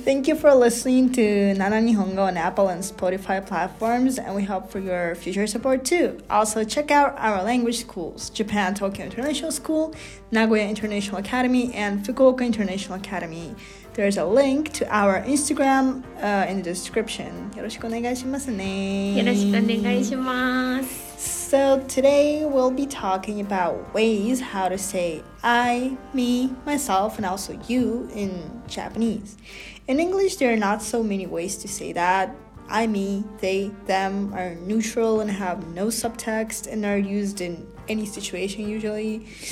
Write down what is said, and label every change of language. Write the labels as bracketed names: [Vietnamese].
[English] Thank you for listening to Nana Nihongo on Apple and Spotify platforms, and we hope for your future support too. Also check out our language schools, Japan Tokyo International School, Nagoya International Academy, and Fukuoka International Academy. There's a link to our Instagram in the description. [Japanese] よろしくお願いしますね. よろしくお願いします. [English] So today we'll be talking about ways how to say I, me, myself, and also you in Japanese. In English, there are not so many ways to say that. I, me, they, them are neutral and have no subtext and are used in any situation usually.